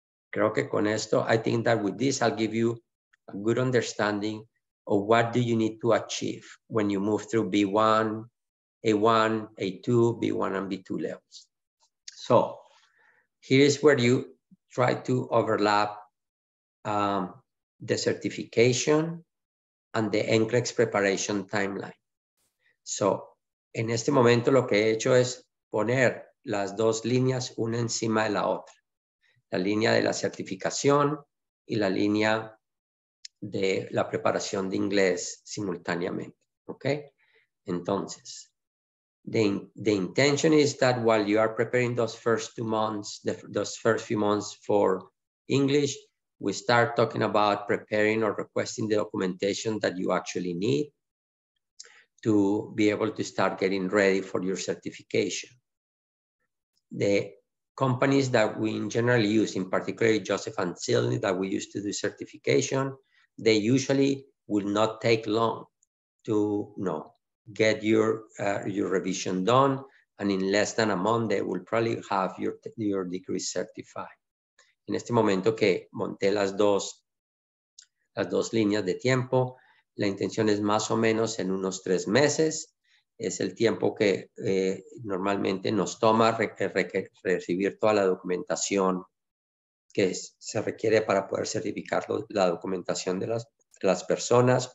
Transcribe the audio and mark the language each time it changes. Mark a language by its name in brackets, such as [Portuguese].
[English] Creo que con esto, I think that with this, I'll give you a good understanding of what do you need to achieve when you move through B1, A1, A2, B1 and B2 levels. So here is where you try to overlap the certification and the NCLEX preparation timeline. [Spanish] So en este momento lo que he hecho es poner las dos líneas una encima de la otra. La línea de la certificación y la línea de la preparación de inglés simultáneamente, okay? [English] Entonces, The intention is that while you are preparing those first 2 months, those first few months for English, we start talking about preparing or requesting the documentation that you actually need to be able to start getting ready for your certification. The companies that we in general use, in particular Joseph and Silney that we use to do certification, they usually will not take long to know. Get your revision done, and in less than a month, they will probably have your degree certified. [Spanish] En este momento que monté las dos líneas de tiempo, La intención es más o menos en unos 3 meses. Es el tiempo que normalmente nos toma recibir toda la documentación que se requiere para poder certificar la documentación de las personas.